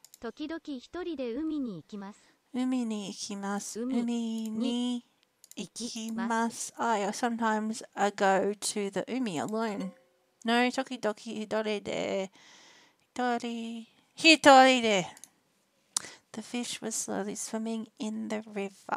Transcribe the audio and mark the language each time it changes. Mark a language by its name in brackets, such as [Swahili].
[Japanese] 時々一人で海に行きます。海に行きます。海に行きます。 [English] I sometimes I go to the 海 alone. [Japanese] No, 時々一人で一人で。 [English] The fish was slowly swimming in the river.